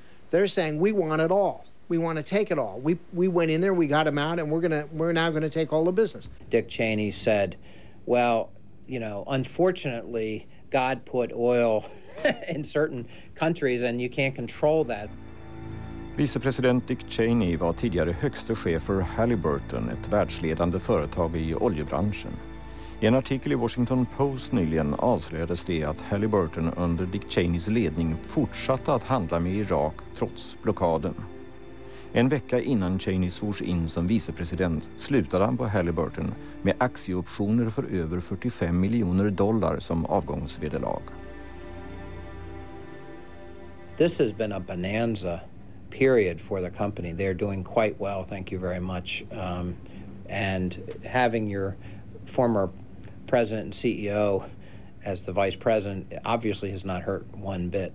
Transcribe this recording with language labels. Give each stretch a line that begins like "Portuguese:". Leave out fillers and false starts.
English: They're saying, we want it all. We want to take it all. We went in there, we got them out, and we're now gonna take all the business. Dick Cheney said, well, you know, unfortunately, God put oil in certain countries and you can't control that.
Swedish: Vicepresident Dick Cheney var tidigare högste chef för Halliburton, ett världsledande företag i oljebranschen. I en artikel i Washington Post nyligen avslöjades det att Halliburton under Dick Cheneys ledning fortsatte att handla med Irak trots blockaden. En vecka innan Cheney svors in som vicepresident slutade han på Halliburton med aktieoptioner för över 45 miljoner dollar som avgångsvederlag.
English: This has been a bonanza period for the company. They're doing quite well, thank you very much. And having your former president and CEO as the vice president obviously has not hurt one bit.